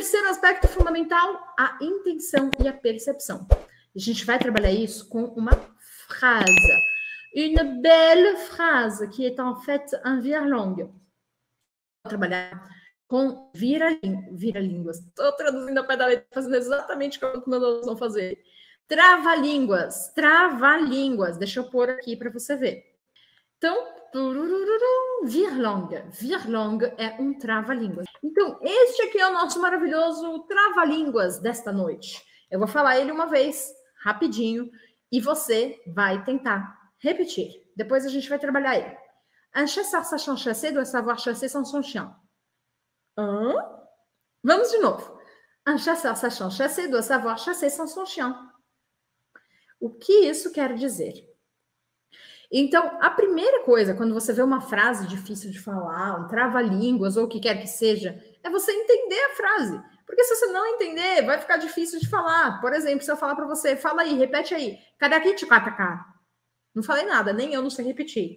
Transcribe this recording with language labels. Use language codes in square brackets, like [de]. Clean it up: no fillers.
[pt] aspecto fundamental, a intenção e a percepção. A gente vai trabalhar isso com uma frase. [fr] Une belle phrase, que est en fait un virlang. [pt] Vou trabalhar com vira-línguas. Estou traduzindo a pé da letra, fazendo exatamente como os meus alunos vão fazer. Trava-línguas, trava-línguas. Deixa eu pôr aqui para você ver. Então, virlang. Virlang é um trava-línguas. Então, este aqui é o nosso maravilhoso trava-línguas desta noite. Eu vou falar ele uma vez, rapidinho, e você vai tentar repetir. Depois a gente vai trabalhar ele. [fr] Un chasseur sachant chasser doit savoir chasser sans son chien. Hein? [pt] Vamos de novo. [fr] Un chasseur sachant chasser doit savoir chasser sans son chien. [pt] O que isso quer dizer? Então, a primeira coisa, quando você vê uma frase difícil de falar, um trava-línguas ou o que quer que seja, é você entender a frase. Porque se você não entender, vai ficar difícil de falar. Por exemplo, se eu falar para você, fala aí, repete aí. Cadê aqui, tchicataká? Não falei nada, nem eu não sei repetir.